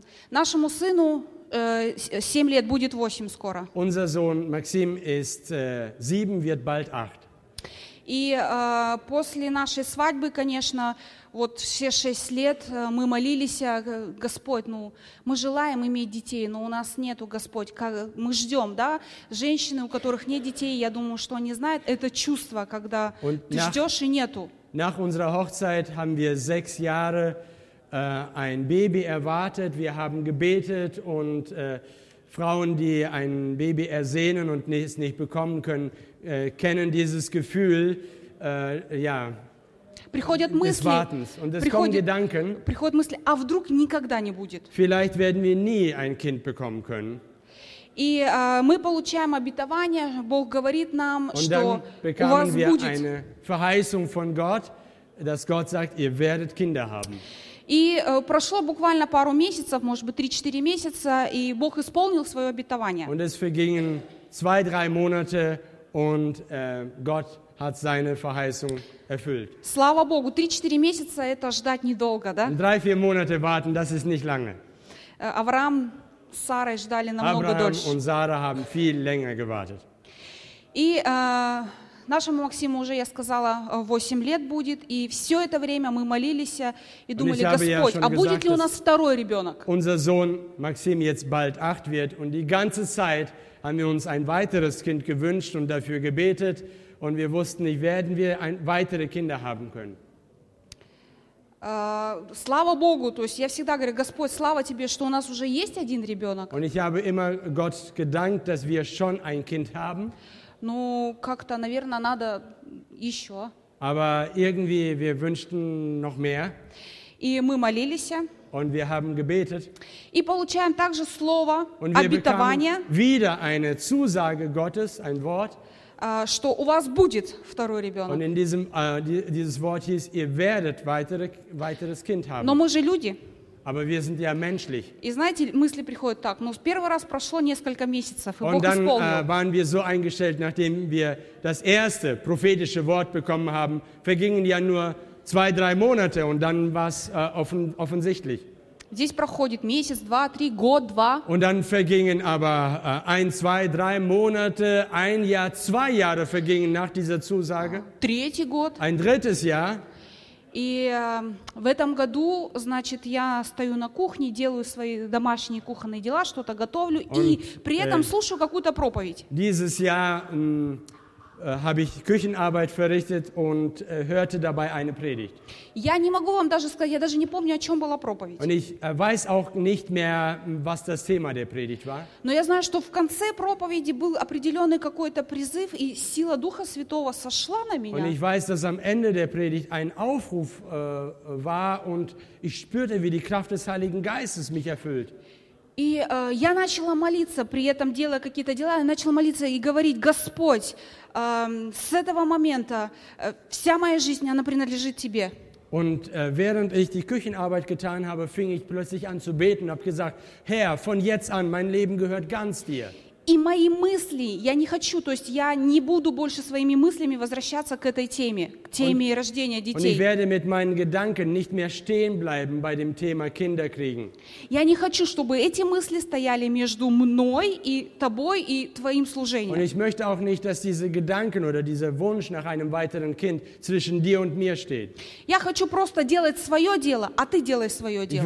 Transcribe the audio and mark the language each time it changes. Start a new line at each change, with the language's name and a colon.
Russian: Нашему сыну 7 лет, будет 8 скоро.
German: Unser Sohn Maxim ist 7, wird bald 8.
Russian: И после нашей свадьбы, конечно, вот все 6 лет мы молились, Господь, ну, мы желаем иметь детей, но у нас нету, Господь, как, мы ждем, да? Женщины, у которых нет детей, я думаю, что они знают, это чувство, когда
German: und
Russian: ты ждешь и нету.
German: Nach unserer Hochzeit haben wir 6 Jahre ein Baby erwartet, wir haben gebetet und Frauen, die ein Baby ersehnen und es nicht bekommen können, kennen dieses Gefühl des Wartens. Und es kommen Gedanken.
Russian: Приходят мысли, а вдруг никогда не будет.
German: Vielleicht werden wir nie ein Kind bekommen können.
Russian: И мы получаем обетование, Бог говорит нам,
German: und dann bekamen wir eine Verheißung von Gott, dass Gott sagt, ihr werdet Kinder haben.
Russian: И прошло буквально пару месяцев, может быть, 3-4 месяца, и Бог исполнил свое обетование.
German: Und es vergingen 2-3 Monate und Gott hat seine Verheißung erfüllt.
Russian: Слава Богу, 3-4 месяца – это ждать недолго, да?
German: 3-4 Monate warten, das ist nicht lange.
Russian: Авраам с Сарой ждали намного
German: Abraham
Russian: дольше.
German: Abraham und Sarah haben viel länger gewartet.
Russian: И нашему Максиму уже, я сказала, 8 лет будет, и все это время мы молились и думали, Господь,
German: ja
Russian: а будет ли у нас второй ребенок?
German: Unser Sohn Maxim jetzt bald 8 wird und die ganze Zeit haben wir uns ein weiteres Kind gewünscht und dafür gebetet und wir wussten nicht, werden wir weitere Kinder haben können.
Russian: Слава Богу, то есть я всегда говорю, Господь, слава тебе, что у нас уже есть один ребенок.
German: Und ich habe immer Gott gedankt, dass wir schon ein Kind haben.
Russian: Ну, как-то, наверное, надо еще.
German: Aber irgendwie wir wünschten noch mehr.
Russian: И мы молились.
German: Und wir haben gebetet.
Russian: И получаем также слово, обетование.
German: Wieder eine Zusage Gottes, ein Wort.
Russian: Что у вас будет второй ребенок.
German: Und in diesem, dieses Wort hieß, ihr werdet weiteres Kind haben.
Russian: Но мы же люди.
German: Aber wir sind ja menschlich.
Russian: И знаете, мысли приходят так, ну, первый раз прошло несколько месяцев, и
German: Und
Russian: Бог
German: dann,
Russian: исполнил.
German: Waren wir so eingestellt, nachdem wir das erste prophetische Wort bekommen haben, vergingen ja nur 2-3 Monate und dann war es offensichtlich.
Russian: Здесь проходит месяц, два, три, год, два.
German: Und dann vergingen aber 1, 2, 3 Monate, 1 Jahr, 2 Jahre vergingen nach dieser Zusage.
Russian: Третий год.
German: Ein drittes Jahr.
Russian: И в этом году, значит, я стою на кухне, делаю свои домашние кухонные дела, что-то готовлю und, и при этом слушаю какую-то проповедь.
German: Dieses Jahr habe ich Küchenarbeit verrichtet und hörte dabei eine Predigt.
Russian: Я не могу вам даже сказать, я даже не помню, о чем была проповедь.
German: Und ich weiß auch nicht mehr, was das Thema der Predigt war.
Russian: Но я знаю, что в конце проповеди был определенный какой-то призыв, и сила Духа Святого сошла на меня.
German: Und ich weiß, dass am Ende der Predigt ein Aufruf war und ich spürte, wie die Kraft des Heiligen Geistes mich erfüllt.
Russian: И я начала молиться, при этом делая какие-то дела, я начала молиться и говорить, Господь, с этого момента вся моя жизнь, она принадлежит Тебе.
German: Und während ich die Küchenarbeit getan habe, fing ich plötzlich an zu beten, habe gesagt, Herr, von jetzt an, mein Leben gehört ganz Dir.
Russian: И мои мысли, я не хочу, то есть я не буду больше своими мыслями возвращаться к этой теме, к теме und, рождения детей.
German: Und ich werde mit meinen Gedanken nicht mehr stehen bleiben bei dem Thema Kinder kriegen.
Russian: Я не хочу, чтобы эти мысли стояли между мной и тобой и твоим служением.
German: Und ich möchte auch nicht, dass diese Gedanken oder dieser Wunsch nach einem weiteren Kind zwischen dir und mir steht.
Russian: Я хочу просто делать свое дело, а ты делай свое дело.